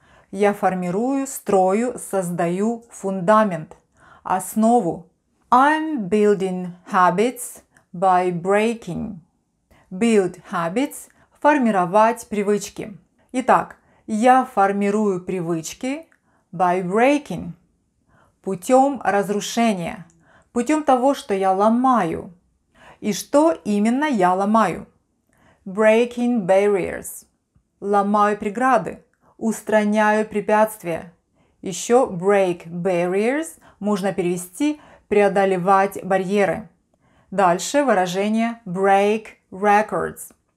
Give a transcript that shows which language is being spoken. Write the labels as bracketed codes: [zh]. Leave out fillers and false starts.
[ru] Я формирую, строю, создаю фундамент, основу. [en] I'm building habits by breaking. Build habits [ru] – формировать привычки. Итак, я формирую привычки [en] by breaking [ru] – путем разрушения, путем того, что я ломаю. И что именно я ломаю? [en] Breaking barriers [ru] – ломаю преграды. Устраняю препятствия. Еще [en] break barriers [ru] можно перевести преодолевать барьеры. Дальше выражение [en] break records.